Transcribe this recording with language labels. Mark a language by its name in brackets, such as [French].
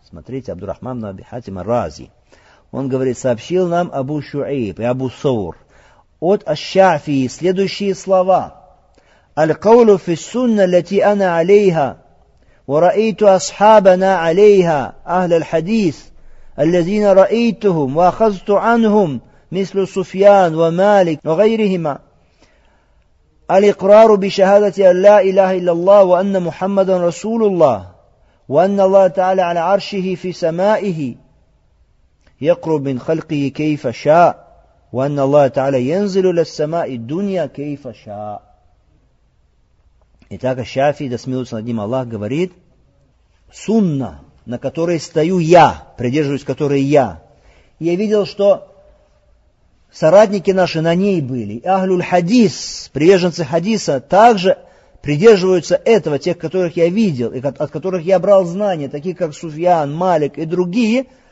[Russian] Смотрите, Абдурахман ибн Аби Хатим ар-Рази. Он говорит: сообщил нам Абу Шуайб и Абу Саур от аш-Шафии следующие слова: [Arabic] «Аль-каулу фи сунна лати ана алейха, ва раэйту асхабана алейха, ахля аль-хадис, аль-лазина раэйтухум, ва ахазту анхум, мислю Суфьян, ва Малик, ва гайрихима. الإقرار بشهادة أن لا إله إلا الله وأن محمدا رسول الله وأن الله تعالى على عرشه في سمائه يقرب من خلقه كيف شاء وأن الله تعالى ينزل للسماء الدنيا كيف شاء». [Russian] Итак, Ашафи, да смилуется над ним Аллах, говорит, сунна, на которой стою я, придерживаюсь которой я. И я видел, что соратники наши на ней были. И ахлюль хадис, приверженцы хадиса, также придерживаются этого, тех, которых я видел, и от которых я брал знания, такие как Суфьян, Малик и другие.